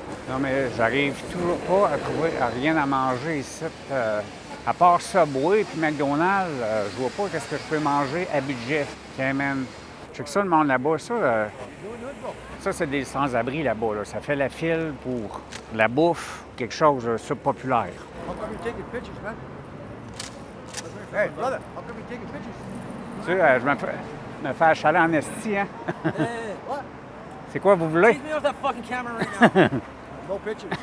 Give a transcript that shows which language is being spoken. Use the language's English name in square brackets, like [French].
[French] Non, mais j'arrive toujours pas à trouver rien à manger ici. À part Subway et McDonald's, je vois pas qu'est-ce que je peux manger à budget. Tiens, man. Check ça, le monde là-bas. Ça, c'est des sans-abri là-bas. Là. Ça fait la file pour la bouffe, quelque chose de sub-populaire. [English] How come you take the pictures, man? Hey, brother, how come you take the pictures? [French] Tu sais, me faire achaler en esti, hein? C'est quoi, vous voulez? [English] Please me off that fucking camera right now. No pictures.